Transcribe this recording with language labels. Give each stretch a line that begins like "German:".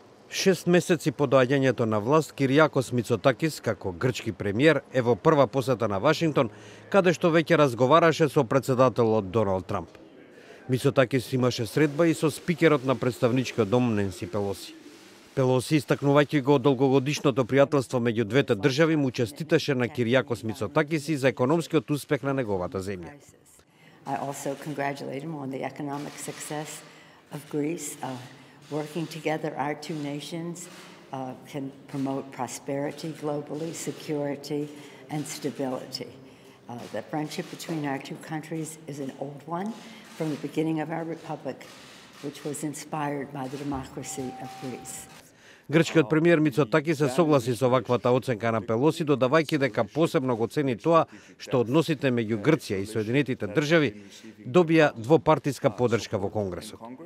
Macedonian: 6 месеци по доаѓањето на власт, Кириакос Мицотакис, како грчки премиер, е во прва посета на Вашингтон, каде што веќе разговараше со председателот Доналд Трамп. Мицотакис имаше средба и со спикерот на представничкиот дом Ненси Пелоси. Пелоси, истакнувајќи го долгогодишното пријателство меѓу двете држави, му честиташе на Кириакос Мицотакис за економскиот успех на неговата земја.
English: I also congratulate him on the economic success of Greece. Working together, our two nations can promote prosperity globally, security and stability. The friendship between our two countries is an old one from the beginning of our republic, which was inspired by the democracy of Greece.
Macedonian: Грчкиот премиер Мицотаки се согласи со ваквата оценка на Пелоси, додавајќи дека посебно го цени тоа што односите меѓу Грција и Соединетите држави добија двопартиска поддршка во Конгресот.